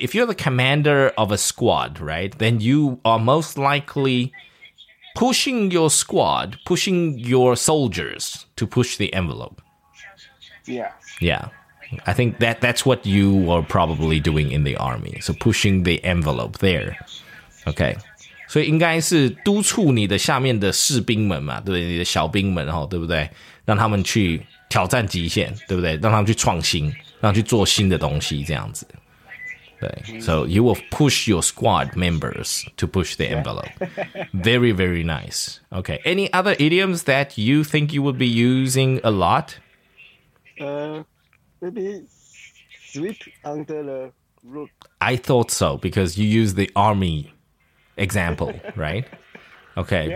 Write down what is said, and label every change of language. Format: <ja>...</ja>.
<en>If you're the commander of a squad, right, then you are most likely pushing your squad, pushing your soldiers to push the envelope. Yeah. Yeah. I think that's what you are probably doing in the army. So pushing the envelope there. Okay.</en> <zh>所以应该是督促你的下面的士兵们嘛，对不对？你的小兵们，对不对？让他们去挑战极限，对不对？让他们去创新。让去做新的东西这样子，对。</zh> <en>So you will push your squad members to push the envelope. Very, very nice. Okay. Any other idioms that you think you would be using a lot? Maybe sweep under the rug. I thought so because you use the army example, right? Okay, yeah.</en>